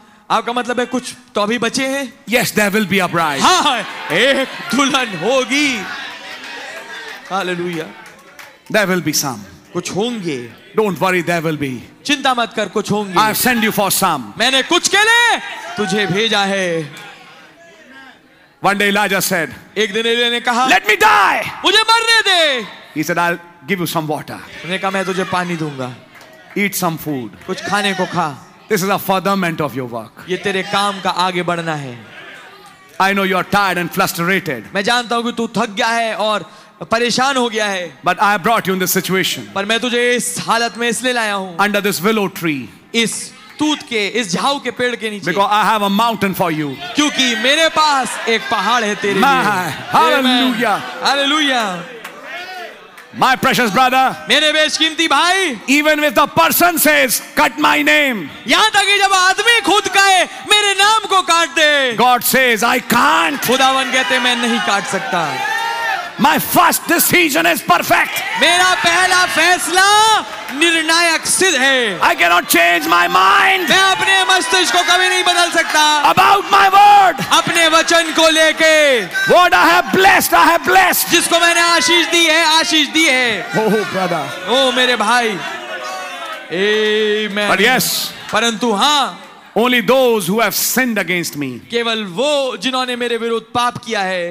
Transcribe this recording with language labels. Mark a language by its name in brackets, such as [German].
[Hindi] आपका मतलब है कुछ तो अभी बचे हैं? [English] Yes, there will be a bride. [Hindi] हाँ, एक दुल्हन होगी। Hallelujah. [English] There will be some. [Hindi] कुछ होंगे। [English] Don't worry, there will be. [Hindi] चिंता मत कर, कुछ होंगे। [English] I've sent you for some. [Hindi] मैंने कुछ के लिए तुझे भेजा है। [English] One day Elijah said. [Hindi] एक दिन एलिय्याह ने कहा। [English] Let me die. [Hindi] मुझे मरने दे। [English] He said, I'll give you some water. [Hindi] उसने कहा मैं तुझे पानी दूंगा। [English] Eat some food. [Hindi] कुछ खाने को खा। [English] This is a furtherment of your work. [Hindi] ये तेरे काम का आगे बढ़ना है। [English] I know you are tired and frustrated. [Hindi] मैं जानता हूँ कि तू थक गया है और परेशान हो गया है। [English] But I brought you in this situation. [Hindi] पर मैं तुझे इस हालत में इसलिए लाया हूँ। [English] Under this willow tree. [Hindi] इस तूत के, इस झाव के पेड़ के नीचे। [English] Because I have a mountain for you. [Hindi] क्योंकि मेरे पास एक पहाड़ है तेरे लिए। Hallelujah. Hallelujah. [English] My precious brother, [Hindi] मेरे बेशकीमती भाई, [English] even if the person says, cut my name, [Hindi] यहाँ तक कि जब आदमी खुद कहे मेरे नाम को काट दे, [English] God says, I can't, [Hindi] खुदावन कहते मैं नहीं काट सकता, [English] my first decision is perfect, [Hindi] मेरा पहला फैसला निर्णायक सिद्ध है, [English] I cannot change my mind, [Hindi] मैं अपने मस्तिष्क को कभी नहीं बदल सकता, [English] about my word, [Hindi] अपने वचन को लेके, [English] what I have blessed, [Hindi] जिसको मैंने आशीष दी है, [English] oh brother, [Hindi] oh मेरे भाई, amen, [English] but yes, [Hindi] परंतु हाँ, [English] only those who have sinned against me, [Hindi] केवल वो जिन्होंने मेरे विरुद्ध पाप किया है,